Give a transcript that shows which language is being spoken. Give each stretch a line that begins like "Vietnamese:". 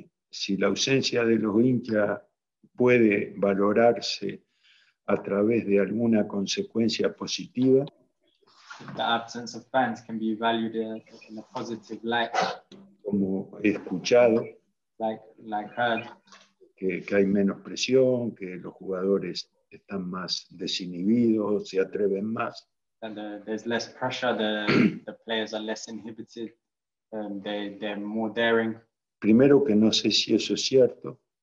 Spanish: Si la ausencia de los hinchas puede valorarse a través de alguna consecuencia positiva.
English: The absence of fans can be evaluated in a positive light.
Spanish: Como escuchado.
English: Like heard.
Spanish: Que hay menos presión, que los jugadores están más desinhibidos, se atreven más.
English: And there's less pressure, the players are less inhibited, they're more daring.
Spanish: Primero que no sé si eso es cierto.